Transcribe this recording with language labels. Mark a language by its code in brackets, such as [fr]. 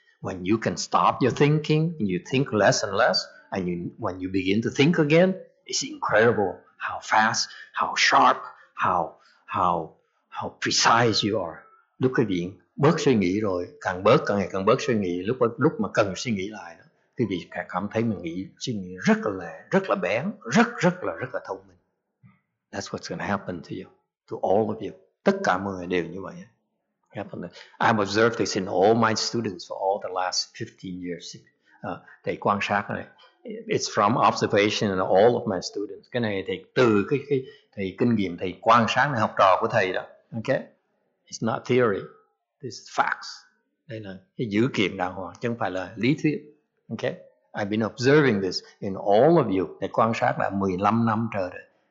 [en] When you can stop your thinking, you think less and less, and you, when you begin to think again, it's incredible how fast, how sharp, how precise you are. [vi] Lúc quý vị bớt suy nghĩ rồi, càng bớt càng ngày càng bớt suy nghĩ, lúc mà cần suy nghĩ lại đó, quý vị cảm thấy mình nghĩ suy nghĩ rất là bén, rất là thông minh. [en] That's what's going to happen to you, to all of you. [vi] Tất cả mọi người đều như vậy. [en] I've observed this in all my students for all the last 15 years. [vi] Thầy quan sát này. [en] It's from observation in all of my students. [vi] Cái này thầy từ cái thầy kinh nghiệm thầy quan sát này, học trò của thầy đó. Okay? [en] It's not theory. This is facts. [vi] Đây là cái dữ kiện đàng hoàng, chứ không phải là lý thuyết. [en] Okay? I've been observing this in all of you. [vi] Thầy quan sát là 15 năm trời rồi.